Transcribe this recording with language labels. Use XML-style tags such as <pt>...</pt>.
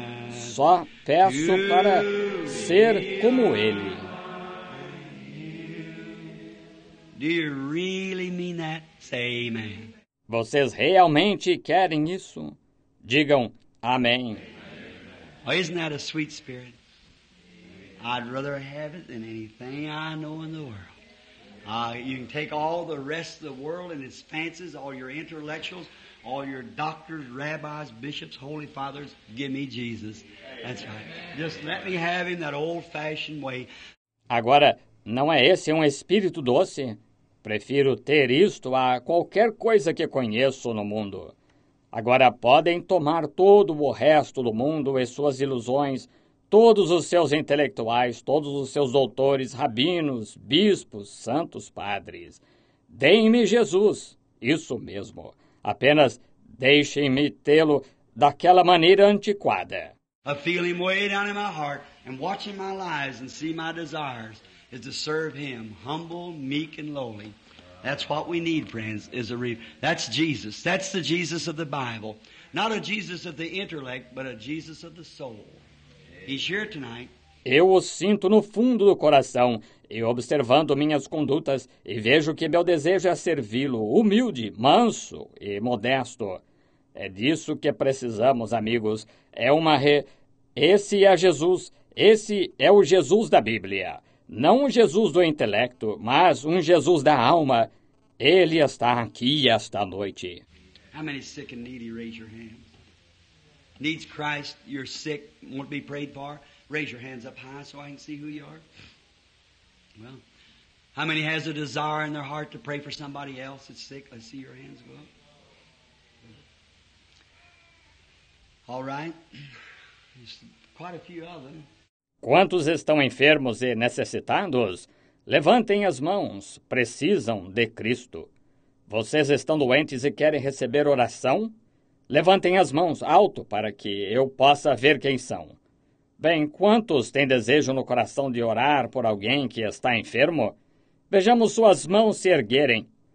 <pt>Só peço para ser como Ele.</pt> <en>Do you really mean that? Say amen.</en> <pt>Vocês realmente querem isso? Digam amém.</pt> <en>Oh, isn't that a sweet spirit? I'd rather have it than anything I know in the world. You can take all the rest of the world and its fancies, all your intellectuals, all your doctors, rabbis, bishops, holy fathers, give me Jesus. That's right. Just let me have Him that old-fashioned way.</en> <pt>Agora, não é esse um espírito doce? Prefiro ter isto a qualquer coisa que conheço no mundo. Agora, podem tomar todo o resto do mundo e suas ilusões, todos os seus intelectuais, todos os seus doutores, rabinos, bispos, santos, padres. Deem-me Jesus, isso mesmo. Apenas deixem-me tê-lo daquela maneira antiquada.</pt> <en>I feel Him way down in my heart and watching my lives and see my desires is to serve Him, humble, meek and lowly. That's what we need, friends, is a That's Jesus. That's the Jesus of the Bible. Not a Jesus of the intellect, but a Jesus of the soul. He's here tonight.</en> <pt>Eu o sinto no fundo do coração, e observando minhas condutas, e vejo que meu desejo é servi-lo, humilde, manso e modesto. É disso que precisamos, amigos. É uma Esse é Jesus. Esse é o Jesus da Bíblia. Não um Jesus do intelecto, mas um Jesus da alma. Ele está aqui esta noite.</pt> <en>How many sick and needy, raise your hand. Needs Christ, you're sick, won't be prayed for. Raise your hands up high so I can see who you are. Well, how many has a desire in their heart to pray for somebody else that's sick? I see your hands go up. All right. There's quite a few of them.</en> <pt>Quantos estão enfermos e necessitados? Levantem as mãos. Precisam de Cristo. Vocês estão doentes e querem receber oração? Levantem as mãos alto para que eu possa ver quem são. Bem, quantos têm desejo no coração de orar por alguém que está enfermo? Vejamos suas mãos se erguerem.</pt>